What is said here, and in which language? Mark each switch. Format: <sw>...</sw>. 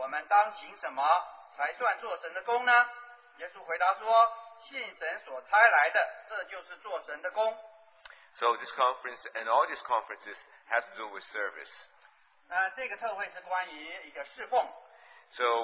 <zh>众人问他说：“我们当行什么才算做神的功呢？” 耶稣回答说：“信神所差来的，这就是做神的功。”</zh> <en>So this conference and all these conferences have to do with service.</en> <zh>那这个特会是关于一个侍奉。</zh> <en>So</en>